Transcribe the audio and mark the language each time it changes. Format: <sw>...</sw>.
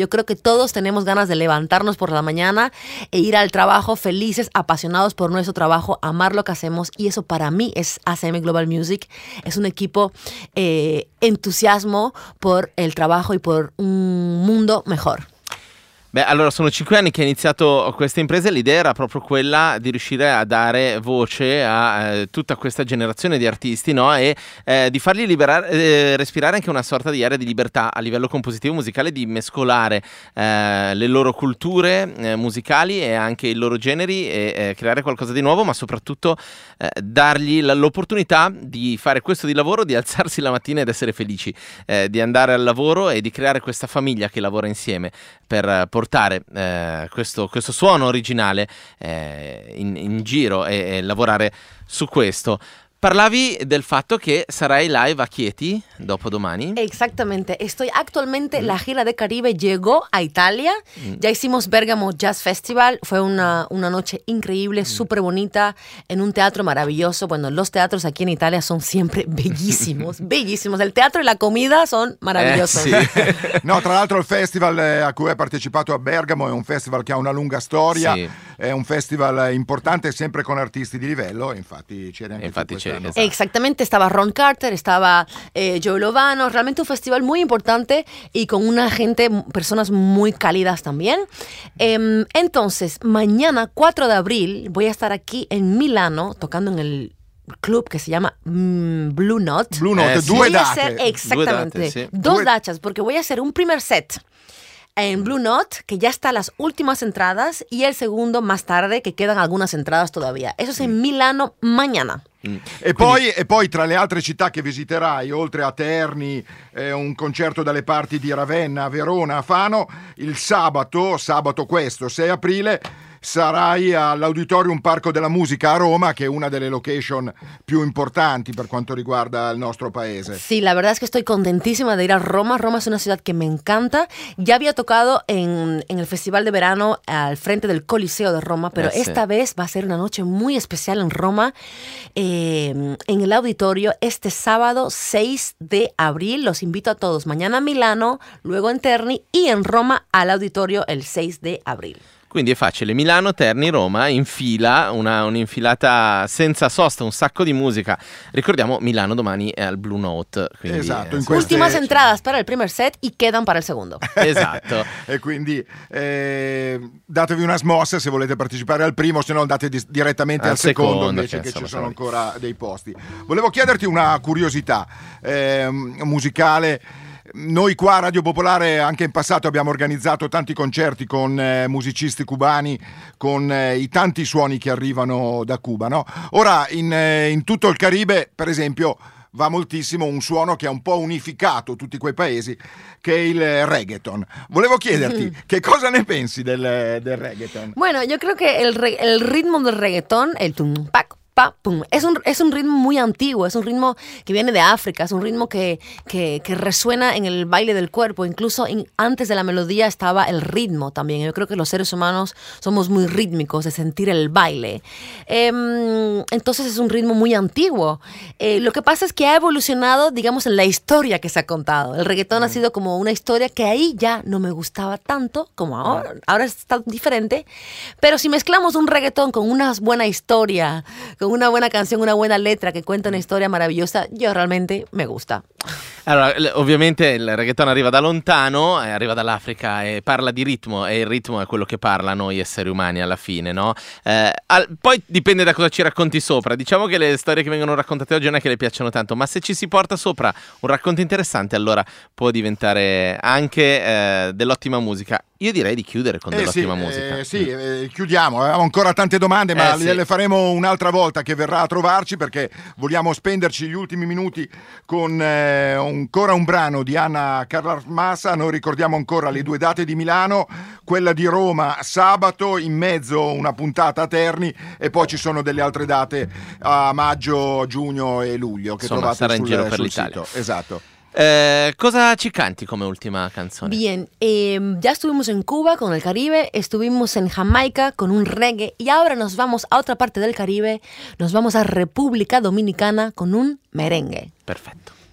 <es>Yo creo que todos tenemos ganas de levantarnos por la mañana e ir al trabajo felices, apasionados por nuestro trabajo, amar lo que hacemos, y eso para mí es ACM Global Music. Es un equipo entusiasmo por el trabajo y por un mundo mejor.</es> <it>Beh, allora, sono 5 anni che ha iniziato questa impresa e l'idea era proprio quella di riuscire a dare voce a tutta questa generazione di artisti, no? E di fargli respirare anche una sorta di aria di libertà a livello compositivo musicale, di mescolare le loro culture musicali e anche i loro generi e creare qualcosa di nuovo, ma soprattutto dargli l'opportunità di fare questo di lavoro, di alzarsi la mattina ed essere felici, di andare al lavoro e di creare questa famiglia che lavora insieme per portare questo suono originale in giro e lavorare su questo. Parlavi del fatto che sarai live a Chieti dopo domani.</it> <es>Exactamente. Estoy actualmente, la gira de Caribe llegó a Italia. Ya hicimos Bergamo Jazz Festival. Fue una noche increíble, súper bonita, en un teatro maravilloso. Bueno, los teatros aquí en Italia son siempre bellísimos, bellísimos. El teatro y la comida son maravillosos. Sí.</es> <it>No, tra l'altro il festival a cui hai partecipato a Bergamo è un festival che ha una lunga storia. Sì. È un festival importante, sempre con artisti di livello, infatti c'era anche infatti c'è, esatto.</it> <es>Exactamente, estaba Ron Carter, estaba Joe Lovano, realmente un festival muy importante y con una gente, personas muy cálidas también. Entonces, mañana 4 de abril voy a estar aquí en Milano tocando en el club que se llama Blue Note.</es> <it>Blue Note, sí. Due date.</it> <es>Exactamente,</es> <it>due date, sì.</it> <es>Dos dachas, porque voy a hacer un primer set en Blue Note, que ya está a las últimas entradas, y el segundo más tarde, que quedan algunas entradas todavía. Eso es en Milano mañana.</es> <it>E poi tra le altre città che visiterai, oltre a Terni, un concerto dalle parti di Ravenna, Verona, Fano, il sabato questo 6 aprile sarai all'Auditorium Parco della Musica a Roma, che è una delle location più importanti per quanto riguarda il nostro paese. Sì, la verità è che sto contentissima di andare a Roma. Roma è una città che</it> <es>mi encanta.</es> <it>Già avevo toccato in il Festival de Verano</it> <es>al frente del</es> <it>Coliseo di Roma, però questa</it> <es>vez va a</es> <it>essere una notte molto speciale in Roma, in l'Auditorio,</it> <es>este</es> <it>sabato 6 di abril.</it> <es>Los invito a todos. Mañana a Milano, luego en Terni y en Roma</es> <it>all'Auditorio</it> <es>el 6 de abril.</es> <it>Quindi è facile, Milano, Terni, Roma, in fila, un'infilata senza sosta, un sacco di musica. Ricordiamo, Milano domani è al Blue Note. Quindi, esatto.</it> <es>Ultimas entradas</es> <it>per il primo set e</it> <es>quedan</es> <it>per il secondo. Esatto. E quindi datevi una smossa se volete partecipare al primo, se no andate direttamente al secondo invece, che ci sono ancora dei posti. Volevo chiederti una curiosità musicale. Noi qua a Radio Popolare anche in passato abbiamo organizzato tanti concerti con musicisti cubani, con i tanti suoni che arrivano da Cuba, no? Ora in tutto il Caribe, per esempio, va moltissimo un suono che ha un po' unificato tutti quei paesi, che è il reggaeton. Volevo chiederti che cosa ne pensi del reggaeton?</it> <es>Bueno, yo creo que el ritmo del reggaeton, el tumpac, pum. Es un ritmo muy antiguo, es un ritmo que viene de África, es un ritmo que resuena en el baile del cuerpo, incluso antes de la melodía estaba el ritmo también. Yo creo que los seres humanos somos muy rítmicos de sentir el baile. Entonces es un ritmo muy antiguo. Lo que pasa es que ha evolucionado, digamos, en la historia que se ha contado. El reggaetón ha sido como una historia que ahí ya no me gustaba tanto como ahora. Ahora está diferente, pero si mezclamos un reggaetón con una buena historia, con una buena canción, una buena letra que cuenta una historia maravillosa, yo realmente me gusta.</es> <it>Allora, ovviamente il reggaeton arriva da lontano, arriva dall'Africa e parla di ritmo, e il ritmo è quello che parla noi esseri umani alla fine, no? Poi dipende da cosa ci racconti sopra. Diciamo che le storie che vengono raccontate oggi non è che le piacciono tanto, ma se ci si porta sopra un racconto interessante, allora può diventare anche dell'ottima musica. Io direi di chiudere con dell'ottima musica. Chiudiamo, avevamo ancora tante domande, ma le faremo un'altra volta che verrà a trovarci, perché vogliamo spenderci gli ultimi minuti con ancora un brano di Anna Carlarmasa. Noi ricordiamo ancora le due date di Milano, quella di Roma sabato, in mezzo una puntata a Terni, e poi ci sono delle altre date a maggio, giugno e luglio, che insomma, trovate sarà in giro per sul l'Italia. Sito. Esatto. Cosa ci canti come ultima canzone?</it> <es>Bien, ya estuvimos en Cuba con el Caribe, estuvimos en Jamaica con un reggae, y ahora nos vamos a otra parte del Caribe, nos vamos a República Dominicana con un merengue. Perfecto.</es>